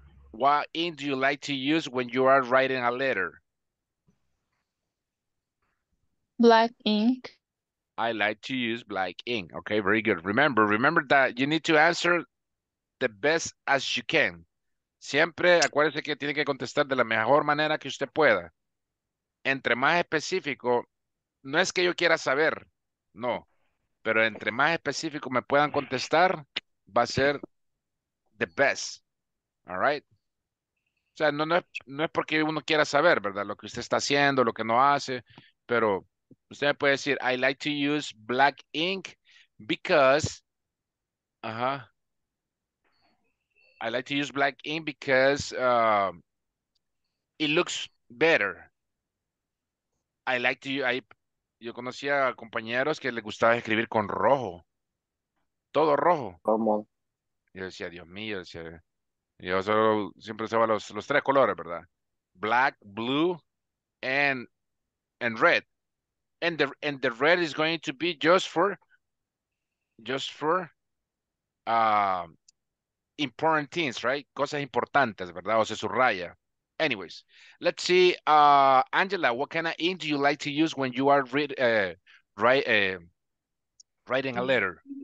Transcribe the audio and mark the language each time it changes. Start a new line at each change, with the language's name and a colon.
English: What ink do you like to use when you are writing a letter? Black ink. I like to use black ink. Okay, very good. Remember that you need to answer the best as you can.
Spanish: Siempre acuérdese que tiene que contestar de la mejor manera que usted pueda. Entre más específico, no es que yo quiera saber, no. Pero entre más específico me puedan contestar, va a ser
English: the best. All right?
Spanish: O sea, no es porque uno quiera saber, ¿verdad? Lo que usted está haciendo, lo que no hace, pero usted me puede decir,
English: I like to use black ink because, I like to use black ink because it looks better.
Spanish: Yo conocía a compañeros que les gustaba escribir con rojo, todo rojo. ¿Cómo? Yo decía, Dios mío, decía, yo solo, siempre usaba los tres colores, ¿verdad?
English: Black, blue, and red. And the red is going to be just for important things, right?
Spanish: Cosas importantes, ¿verdad? O se subraya.
English: Anyways, let's see. Angela, what kind of ink do you like to use when you are writing a letter?